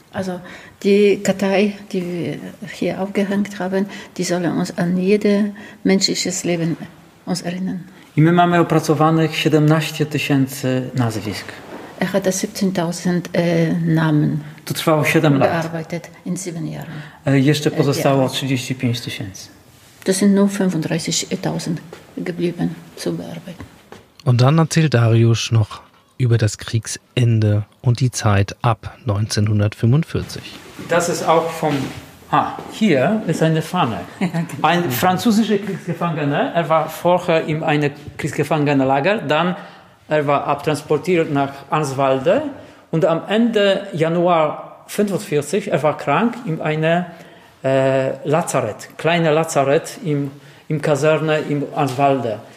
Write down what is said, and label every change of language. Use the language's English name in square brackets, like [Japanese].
[German] Also die Kartei, die wir hier aufgehängt haben, die sollen uns an jedes menschliches Leben uns erinnern. [Polish] I my mamy opracowanych 17 tysięcy nazwisk. [German] Er hatte 17.000 Namen. [Polish] To trwało 7 lat. [German] Gearbeitet in 7 Jahren. [Polish] Jeszcze pozostało 35 tysięcy. [German] Das sind nur 35.000 geblieben zu bearbeiten. Und dann erzählt Dariusz noch über das Kriegsende und die Zeit ab 1945. Das ist auch vom... hier ist eine Fahne. Ein französischer Kriegsgefangener, er war vorher in einem Kriegsgefangenenlager, dann er war abtransportiert nach Answalde und am Ende Januar 1945, er war krank in einem Lazarett, kleines Lazarett im Kaserne in Answalde.